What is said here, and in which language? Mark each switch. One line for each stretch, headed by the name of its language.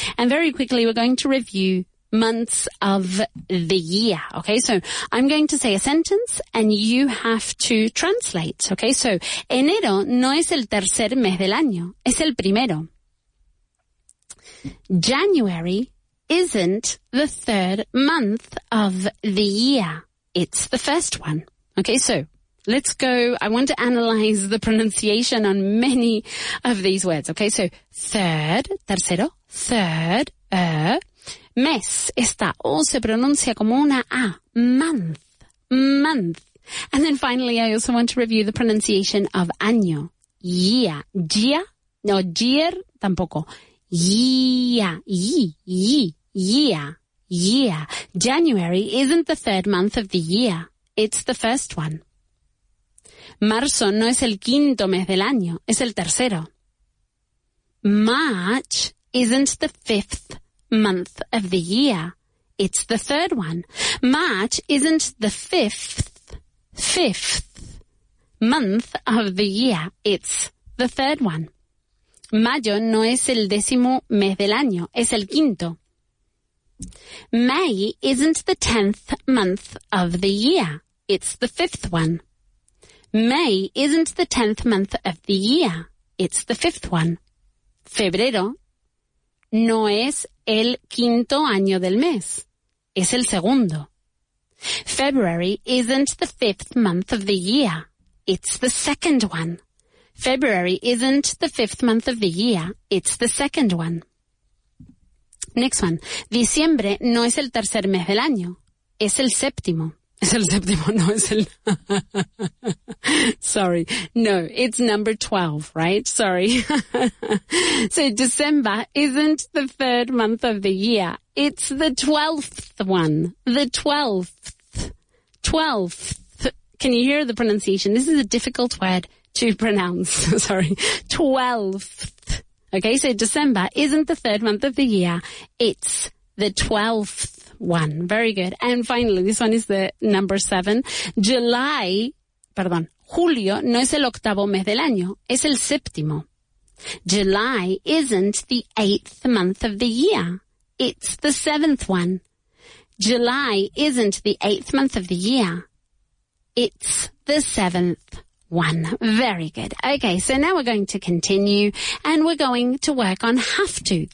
English: And very quickly, we're going to review months of the year. Okay, so I'm going to say a sentence and you have to translate.
Spanish: Okay, so enero no es el tercer mes del año, es el primero.
English: January isn't the third month of the year, it's the first one. Okay, so let's go. I want to analyze the pronunciation on many of these words. Okay, so third,
Spanish: tercero, third, mes, esta O se pronuncia como una A,
English: month, month. And then finally, I also want to review the pronunciation of año, year, year, no, year, tampoco, year, year, year. January isn't the third month of the year, it's the first one.
Spanish: Marzo no es el quinto mes del año, es el tercero.
English: March isn't the fifth month of the year, it's the third one. March isn't the fifth month of the year, it's the third one.
Spanish: Mayo no es el décimo mes del año, es el quinto.
English: May isn't the tenth month of the year, it's the fifth one. May isn't the tenth month of the year, it's the fifth one.
Spanish: Febrero no es el quinto año del mes, es el segundo.
English: February isn't the fifth month of the year, it's the second one. February isn't the fifth month of the year, it's the second one. Next one.
Spanish: Diciembre no es el tercer mes del año, es el séptimo. Es el séptimo, no es el... Sorry.
English: No, it's number 12, right? Sorry. So December isn't the third month of the year. It's the 12th one. The 12th. 12th. Can you hear the pronunciation? This is a difficult word to pronounce. Sorry. 12th. Okay, so December isn't the third month of the year. It's the 12th. One. Very good. And finally, this one is the number 7.
Spanish: Julio no es el octavo mes del año, es el séptimo.
English: July isn't the 8th month of the year, it's the 7th one. July isn't the 8th month of the year, it's the 7th one. Very good. Okay, so now we're going to continue and we're going to work on have to.